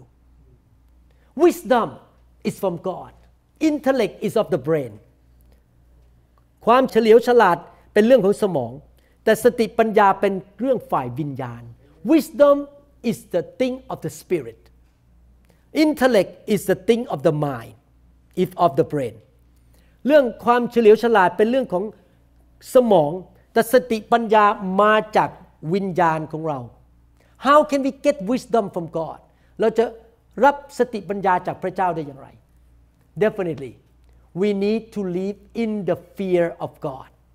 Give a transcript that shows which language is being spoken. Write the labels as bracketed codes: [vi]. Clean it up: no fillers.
[en] Wisdom is from God Intellect is of the brain [th] ความเฉลียวฉลาดเป็นเรื่องของสมองแต่สติปัญญาเป็นเรื่องฝ่ายวิญญาณ [en] WisdomIs the thing of the spirit. Intellect is the thing of the mind, if of the brain. [th] เรื่องความเฉลียวฉลาดเป็นเรื่องของสมองแต่สติปัญญามาจากวิญญาณของเรา [en] How can we get wisdom from God? [th] เราจะรับสติปัญญาจากพระเจ้าได้อย่างไร [en] Definitely, we need to live in the fear of God.